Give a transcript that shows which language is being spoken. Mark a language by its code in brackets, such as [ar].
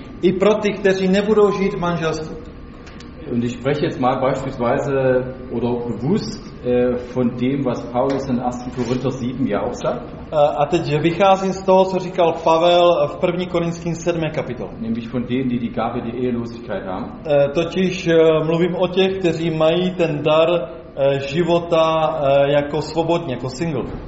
[cs] I pro tých, kteří nebudou žít manželství. [de] Und ich spreche jetzt mal beispielsweise oder bewusst von dem, was Paulus in 1. Korinther 7 ja auch sagt. [cs] A teď vycházím z toho, co říkal Pavel v 1. Korinským 7. kapitole. [de] Nämlich von denen, die Gabe der Ehelosigkeit haben. [cs] Totiž mluvím o těch, kteří mají ten dar života jako svobodně, jako single.